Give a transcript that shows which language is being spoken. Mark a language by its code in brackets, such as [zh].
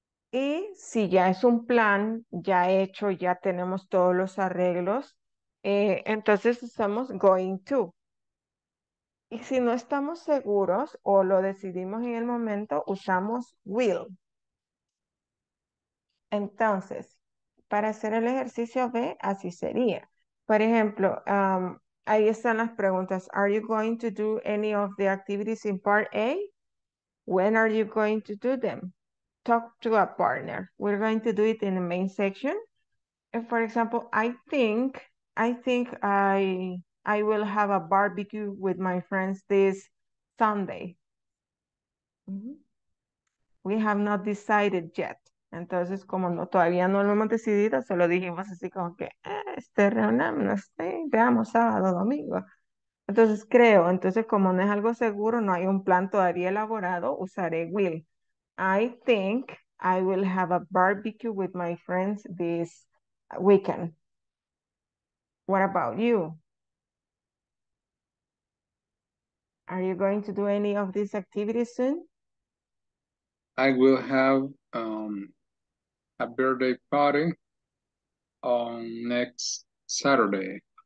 [es] Y si ya es un plan ya hecho, ya tenemos todos los arreglos, entonces usamos going to. Y si no estamos seguros o lo decidimos en el momento, usamos will. Entonces, para hacer el ejercicio B, así sería. Por ejemplo, ahí están las preguntas. [en] Are you going to do any of the activities in part A? When are you going to do them? Talk to a partner. We're going to do it in the main section. And for example, I think I will have a barbecue with my friends this Sunday. We have not decided yet. [es] Entonces, como no, todavía no lo hemos decidido, solo dijimos así como que, reunámonos, veamos sábado, domingo. Entonces, creo, entonces como no es algo seguro, no hay un plan todavía elaborado, usaré will. [en] I think I will have a barbecue with my friends this weekend. What about you? Are you going to do any of these activities soon? I will have a birthday party on next Saturday.